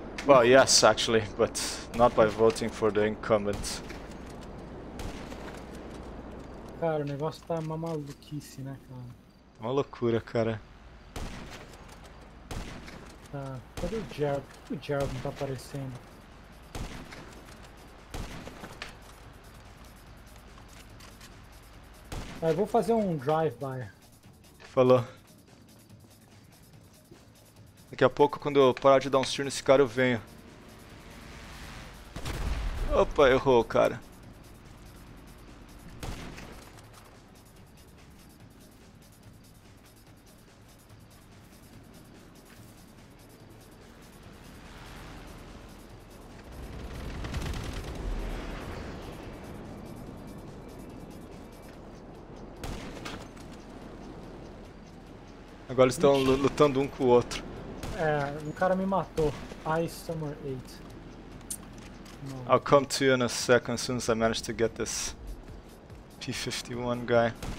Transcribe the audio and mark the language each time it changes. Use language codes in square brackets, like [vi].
[en] Well, yes, actually, but not by voting for the incumbent. [pt] Cara, o negócio tá uma maluquice, né, cara? Uma loucura, cara. Tá, cadê o Gerald? Por que o Gerald não tá aparecendo? Ah, eu vou fazer um drive-by. Falou. Daqui a pouco, quando eu parar de dar uns tiros nesse cara, eu venho. Opa, errou, cara. Agora eles estão lutando um com o outro. É, um cara me matou. Ice Summer 8. Não. [en] I'll come to you in a second, as soon as I manage to get this P-51 guy.